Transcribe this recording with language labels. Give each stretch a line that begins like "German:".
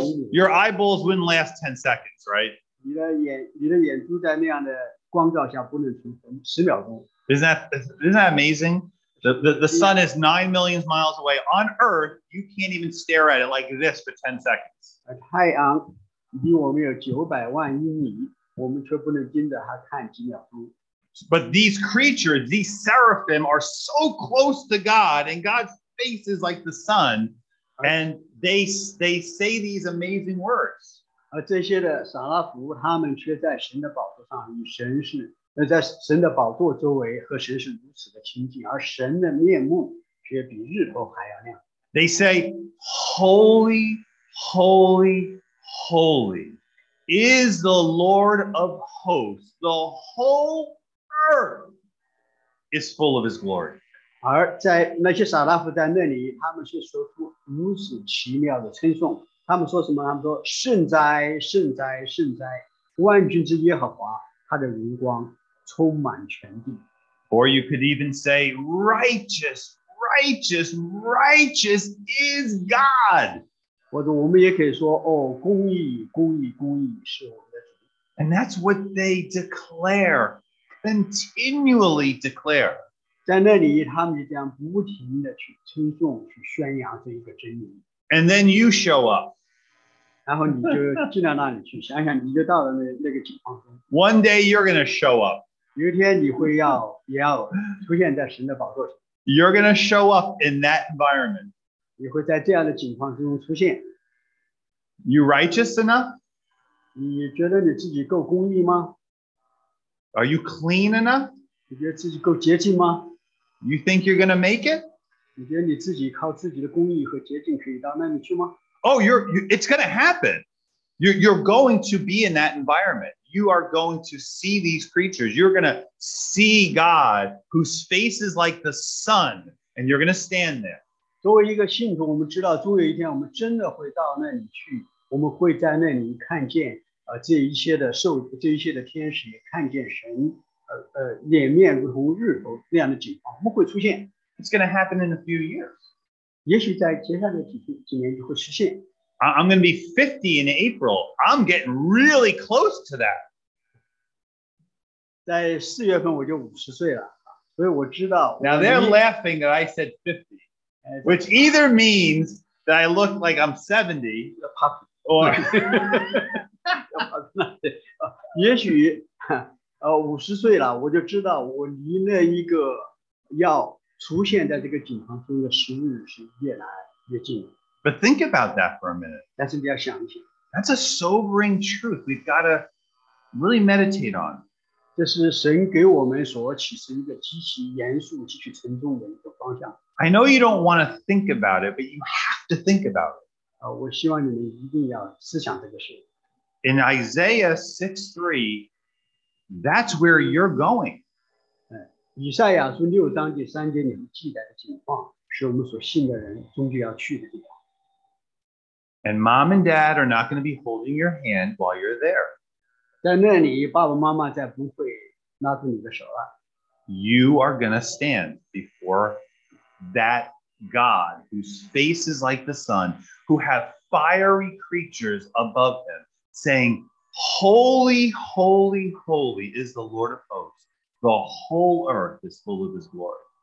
English: Your eyeballs wouldn't last 10 seconds, right?
Chinese: 你的眼珠在那样的光照下不能存活十秒钟。
English: Isn't that amazing? The sun is 9 million miles away. On Earth, you can't even stare at it like this for 10 seconds.
Chinese: 太阳离我们有900万英里，我们却不能盯着它看几秒钟。
English: But these creatures, these seraphim, are so close to God, and God's face is like the sun, and they say these amazing words.
Chinese: 这些的撒拉弗，他们却在神的宝座上与神是在神的宝座周围和神是如此的亲近，而神的面目却比日头还要亮。
English: They say, "Holy, holy, holy is the Lord of hosts. The whole earth is full of His glory."
Chinese: 而在那些撒拉弗在那里，他们却说出如此奇妙的称颂。他们说什么？他们说：“圣哉，圣哉，圣哉！万军之耶和华，他的荣光。” 充满全地。
English: Or you could even say, righteous, righteous, righteous is God.
Chinese: 或者我们也可以说，哦，公义，公义，公义是我们的主。
English: And that's what they declare, continually declare.
Chinese: 在那里，他们就这样不停地去称颂，去宣扬这一个真理。
English: And then you show up.
Chinese: 然后你就进到那里去，想想你就到了那个景况中。
English: One day you're going to show up.
Chinese: 有一天你会要出现在神的宝座上。
English: You're going to show up in that environment.
Chinese: 你会在这样的情况中出现。
English: You righteous enough?
Chinese: 你觉得你自己够公义吗？
English: Are you clean enough?
Chinese: 你觉得自己够洁净吗？
English: You think you're going to make it?
Chinese: 你觉得你自己靠自己的公义和洁净可以到那里去吗？
English: Oh, it's going to happen. You're going to be in that environment. You are going to see these creatures. You're going to see God, whose face is like the sun, and you're going to stand there.
Chinese: 作为一个信徒，我们知道，终有一天我们真的会到那里去。我们会在那里看见这一切的兽，这一切的天使，也看见神脸面如同日头那样的景况。我们会出现。
English: It's going to happen in a few years.
Chinese: 也许在接下来几年就会实现。
English: I'm going to be 50 in April. I'm getting really close to that.
Chinese: 在四月份我就50岁了，所以我知道。
English: Now they're laughing that I said 50, which either means that I look like I'm 70, or
Chinese: 也许50岁了，我就知道我离那一个要出现在这个景象中的时日是越来越近。
English: But think about that for a minute.
Chinese: 但是你要想一想。
English: That's a sobering truth we've got to really meditate on.
Chinese: 这是神给我们所启示一个极其严肃、极其沉重的一个方向。
English: I know you don't want to think about it, but you have to think about it.
Chinese: 我希望你们一定要思想这个事。
English: In Isaiah 6:3, that's where you're going.
Chinese: 以赛亚书六章第三节里面记载的景况，是我们所信的人终究要去的地方。
English: And mom and dad are not going to be holding your hand while you're there.
Chinese: 在那里, 爸爸妈妈再不会拉住你的手了。
English: You are going to stand before that God whose face is like the sun, who have fiery creatures above him, saying, Holy, holy, holy is the Lord of hosts. The whole earth is full of his glory.